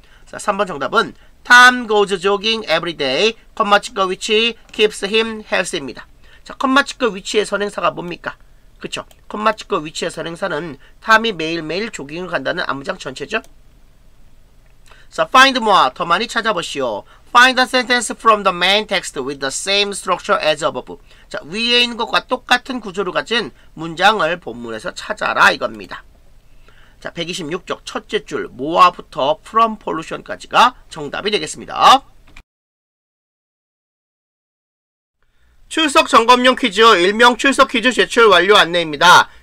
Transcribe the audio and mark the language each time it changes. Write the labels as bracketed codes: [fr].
[ko] 자, 3번 정답은 [en] Tom goes jogging every day, 콤마 찍고 위치, keeps him healthy입니다. [ko] 자, 콤마 찍고 위치의 선행사가 뭡니까? 그쵸. 콤마 찍고 위치의 선행사는 Tom이 매일매일 조깅을 간다는 암무장 전체죠. 자, [en] find more, [ko] 더 많이 찾아보시오. [en] Find a sentence from the main text with the same structure as above. [ko] 자, 위에 있는 것과 똑같은 구조를 가진 문장을 본문에서 찾아라 이겁니다. 자, 126쪽 첫째 줄 모아부터 from pollution까지가 정답이 되겠습니다. 출석 점검용 퀴즈, 일명 출석 퀴즈 제출 완료 안내입니다.